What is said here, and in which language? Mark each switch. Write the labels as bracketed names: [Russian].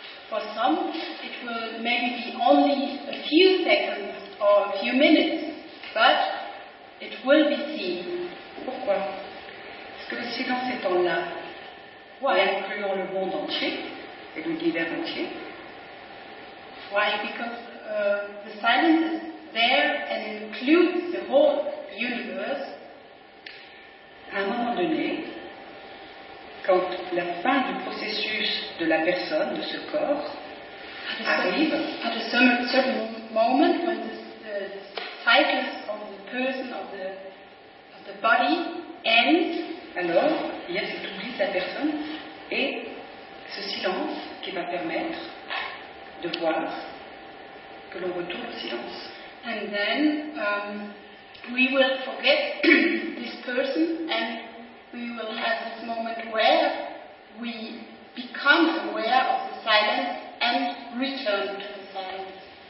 [English] For some, it will maybe be only a few seconds or a few minutes, but it will be seen. [French] Pourquoi? Parce que le silence étant là, [English] why? [French] En incluant le monde entier, et l'univers entier. [English] Why? Because the silence is there and includes the whole universe. [French] À un moment donné, quand la fin du processus de la personne, de ce corps, arrive, [English] at a certain moment when the cycle of the person, of the body ends, [French] alors il y a cet oubli de la personne et ce silence qui va permettre de voir que l'on retourne au silence. [English] And then we will forget this person and we will have this moment where we become aware of the silence and return to the silence.